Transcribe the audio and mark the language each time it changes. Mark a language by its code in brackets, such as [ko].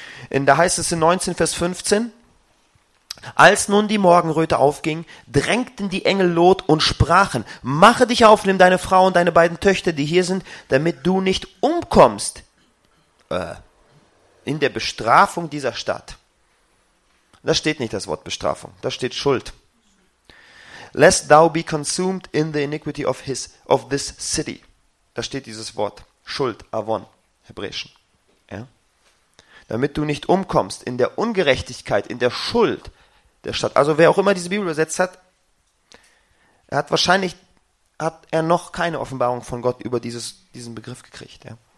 [de] Da heißt es in 19, Vers 15, als nun die Morgenröte aufging, drängten die Engel Lot und sprachen, mache dich auf, nimm deine Frau und deine beiden Töchter, die hier sind, damit du nicht umkommst in der Bestrafung dieser Stadt. Da steht nicht das Wort Bestrafung, da steht Schuld. [en] Lest thou be consumed in the iniquity of this city. [de] Da steht dieses Wort Schuld, Avon, Hebräischen. Ja? Damit du nicht umkommst in der Ungerechtigkeit, in der Schuld der Stadt. Also wer auch immer diese Bibel übersetzt hat, hat er noch keine Offenbarung von Gott über diesen Begriff gekriegt. Ja.